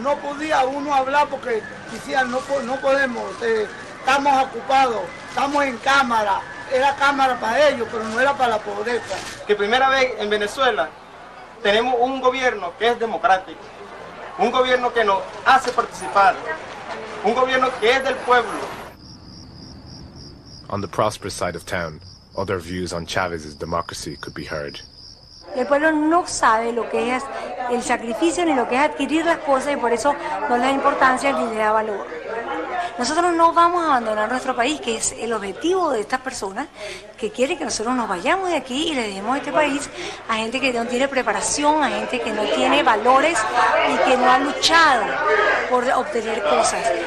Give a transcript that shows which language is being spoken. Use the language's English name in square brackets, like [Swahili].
[Spanish] No podía uno hablar porque decían, no podemos, estamos ocupados, estamos en cámara. Era cámara para ellos, pero no era para la pobreza. Que primera vez en Venezuela tenemos un gobierno que es democrático, un gobierno que nos hace participar, un gobierno que es del pueblo. [English] On the prosperous side of town, other views on Chavez's democracy could be heard. [Spanish] El pueblo no sabe lo que es el sacrificio ni lo que es adquirir las cosas y por eso no le da importancia ni le da valor. Nosotros no vamos a abandonar nuestro país, que es el objetivo de estas personas que quieren que nosotros nos vayamos de aquí y le demos este país a gente que no tiene preparación, a gente que no tiene valores y que no ha luchado por obtener cosas.